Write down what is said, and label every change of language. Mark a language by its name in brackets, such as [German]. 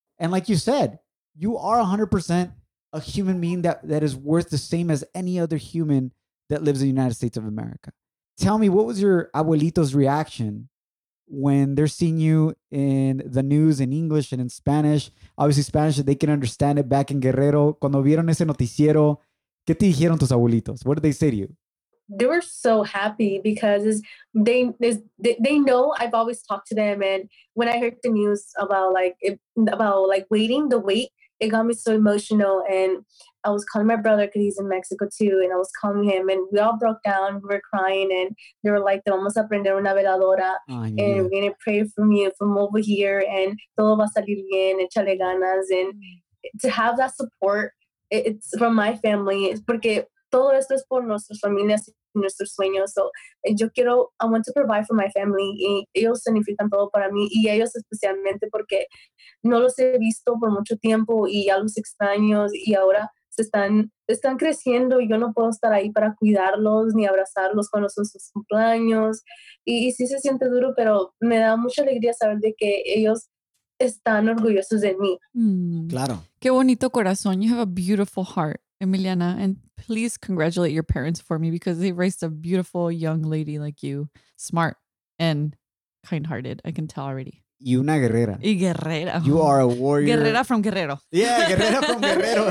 [English] And like you said, you are 100% a human being that is worth the same as any other human that lives in the United States of America. Tell me, what was your abuelito's reaction when they're seeing you in the news in English and in Spanish? Obviously, Spanish, they can understand it back in Guerrero. [Spanish] Cuando vieron ese noticiero, ¿qué te dijeron tus abuelitos? [English] What did they say to you? They were so happy because they know I've always talked to them. And when I heard the news about waiting, the wait, it got me so emotional. And I was calling my brother because he's in Mexico too. And I was calling him and we all broke down. We were crying and they were like, [Spanish] vamos a prender una veladora. [English] Oh, and we're going to pray from you from over here. And [Spanish] todo va a salir bien, échale ganas. [English] And to have that support, it's from my family. [Spanish] It's porque todo esto es por nuestras familias y nuestros sueños. So yo quiero, [English] I want to provide for my family. [Spanish] Y ellos significan todo para mí. Y ellos especialmente porque no los he visto por mucho tiempo y ya los extraño. Y ahora se están creciendo y yo no puedo estar ahí para cuidarlos ni abrazarlos cuando son sus cumpleaños. Y sí se siente duro, pero me da mucha alegría saber de que ellos están orgullosos de mí. Claro. Qué bonito corazón. [English] You have a beautiful heart, Emiliana, and please congratulate your parents for me because they raised a beautiful young lady like you, smart and kind-hearted. I can tell already. [Spanish] Y una guerrera. Y guerrera. [English] You are a warrior. Guerrera from Guerrero. Yeah, guerrera from Guerrero.